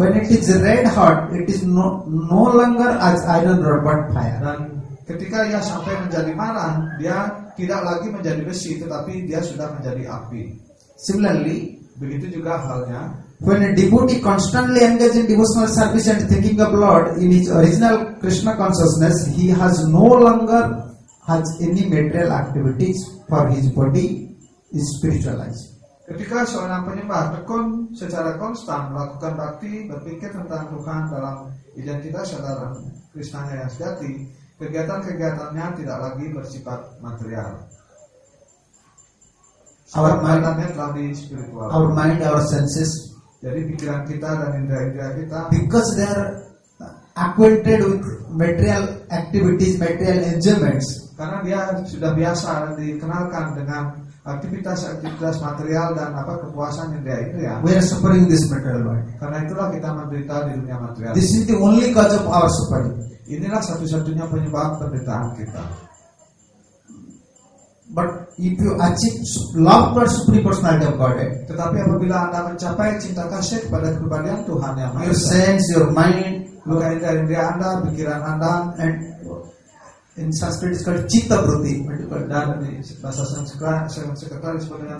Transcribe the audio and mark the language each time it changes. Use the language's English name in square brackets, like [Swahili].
[English] When it is red hot, it is no longer as iron rod but fire. [Indonesian] Dan ketika ia sampai menjadi marah, dia tidak lagi menjadi besi, tetapi dia sudah menjadi api. [English] Similarly, [Indonesian] begitu juga halnya, [English] when a devotee constantly engaged in devotional service and thinking of Lord in his original Krishna consciousness, he has no longer has any material activities for his body is spiritualized. [Indonesian] Ketika seorang penyembah tekun secara konstan melakukan bhakti, berpikir tentang Tuhan dalam identitas saudara Krishna yang sejati, kegiatan-kegiatannya tidak lagi bersifat material. [English] Our mind [Indonesian] telah di spiritual. [English] Our mind, our senses. [Indonesian] Jadi pikiran kita dan indera-indera kita. [English] Because they are acquainted with material activities, material enjoyments. [Indonesian] Karena dia sudah biasa dikenalkan dengan aktivitas-aktivitas material dan apa kepuasan yang dia itu ya. [English] We are suffering this material world. [Indonesian] Karena itulah kita menderita di dunia material. [English] This is the only cause of our suffering. [Indonesian] Inilah satu-satunya penyebab penderitaan kita. [English] But if you achieve love for Supreme Personality of Godhead, [Indonesian] tetapi apabila Anda mencapai cinta kasih kepada kepribadian Tuhan yang [English] Maha Esa, your sense, your mind, [Indonesian] luka indera Anda, pikiran Anda, [English] and in Sanskrit is called citta vritti, [Indonesian] dan di bahasa Sanskrit saya sekretar disebut dengan